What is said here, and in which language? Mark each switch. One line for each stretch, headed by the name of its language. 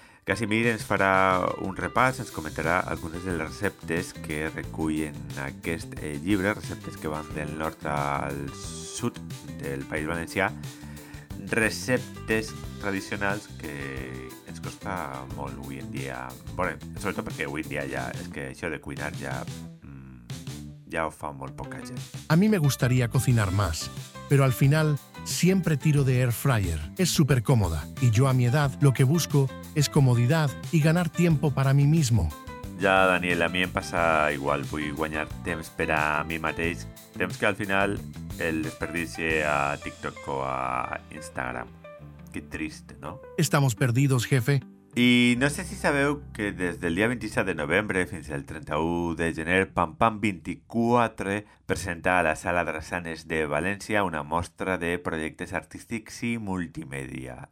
Catalan: Casimir ens farà un repàs, ens comentarà algunes de les receptes que recullen aquest llibre, receptes que van del nord al sud del País Valencià, receptes tradicionals que ens costa molt avui en dia, sobretot perquè avui en dia ja és que això de cuinar ja ho fa molt poca gent.
Spanish: A mi me gustaría cocinar más, pero al final siempre tiro de air fryer. Es súper cómoda y yo a mi edad lo que busco es comodidad y ganar tiempo para mí mismo.
Catalan: Ja, Daniel, a mi em passa igual. Vull guanyar temps per a mi mateix. Temps que al final el desperdicie a TikTok o a Instagram.
Spanish: Qué triste, ¿no? Estamos perdidos, jefe.
Catalan: I no sé si sabeu que des del dia 27 de novembre fins al 31 de gener, Pam Pam 24 presenta a la Sala Drassanes de València una mostra de projectes artístics i multimèdia.